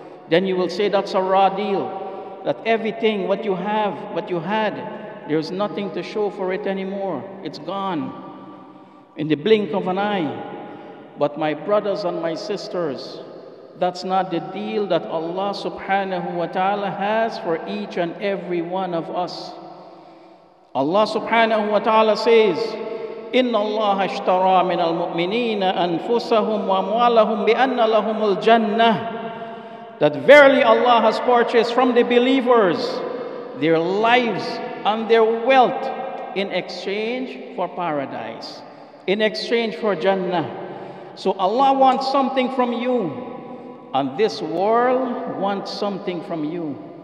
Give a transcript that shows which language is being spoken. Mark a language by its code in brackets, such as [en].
[en] Then you will say that's a raw deal. That everything, what you have, what you had, there's nothing to show for it anymore. It's gone. In the blink of an eye. But my brothers and my sisters, that's not the deal that Allah subhanahu wa ta'ala has for each and every one of us. Allah subhanahu wa ta'ala says, [ar] إِنَّ اللَّهَ اشْتَرَى مِنَ الْمُؤْمِنِينَ أَنفُسَهُمْ وَأَمْوَالَهُمْ بِأَنَّ لَهُمُ الْجَنَّةِ. [en] That verily Allah has purchased from the believers their lives and their wealth in exchange for paradise, in exchange for Jannah. So Allah wants something from you, and this world wants something from you.